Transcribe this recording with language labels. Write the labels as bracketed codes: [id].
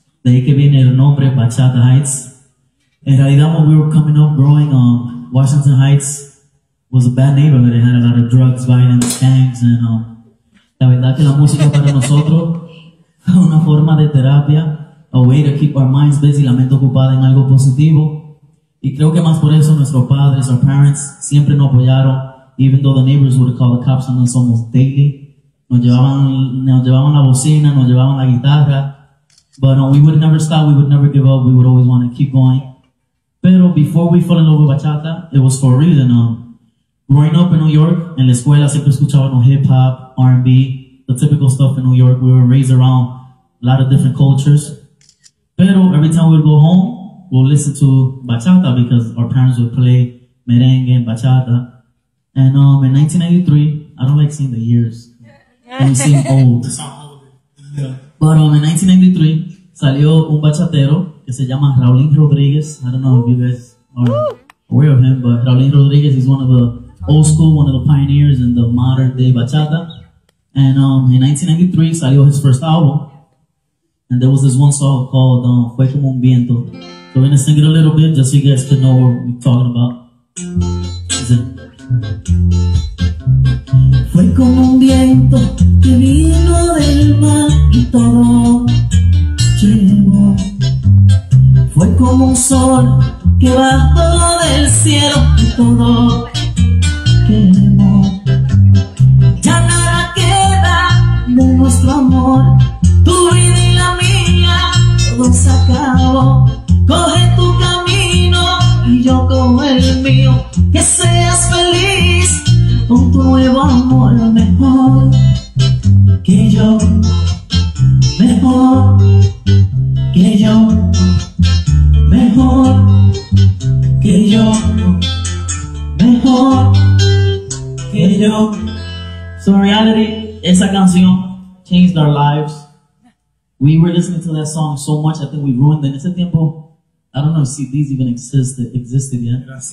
[es] De ahí que viene el nombre Bachata Heights. En realidad, [en] when we were coming up, growing up, Washington Heights was a bad neighborhood. It had a lot of drugs, violence, gangs, and [es] la verdad que la música para nosotros es una forma de terapia, [en] a way to keep our minds busy, [es] la mente ocupada en algo positivo. Y creo que más por eso nuestros padres, [en] our parents, [es] siempre nos apoyaron. [en] Even though the neighbors would call the cops on us almost daily, [es] nos llevaban la bocina, nos llevaban la guitarra. [en] But we would never stop, we would never give up, we would always want to keep going. [es] Pero [en] before we fell in love with bachata, it was for a reason. Growing up in New York, [es] en la escuela siempre escuchábamos hip-hop, R&B, [en] the typical stuff in New York. We were raised around a lot of different cultures. [es] Pero [en] every time we would go home, we'll listen to bachata because our parents would play merengue and bachata. And in 1993, I don't like seeing the years. They seem old. But in 1993, [es] salió un bachatero que se llama Raulín Rodríguez. [en] I don't know if you guys are aware of him, but Raulín Rodríguez is one of the old school, one of the pioneers in the modern day bachata. And in 1993, [es] salió [en] his first album. And there was this one song called Fue Como Un Viento. So we're going to sing it a little bit just so you guys can know what we're talking about. [es] Fue como un viento que vino del mar y todo llegó. Fue como un sol que bajó del cielo y todo quemó. Ya nada queda de nuestro amor, tu vida y la mía, todo se acabó. Coge tu camino y yo cojo el mío. Que seas feliz con tu nuevo amor, mejor que yo, mejor que yo, mejor que yo, mejor que yo. [en] So in reality, [es] esa canción [en] changed our lives. We were listening to that song so much, I think we ruined it. [es] En ese tiempo, [en] I don't know if CDs even existed yet.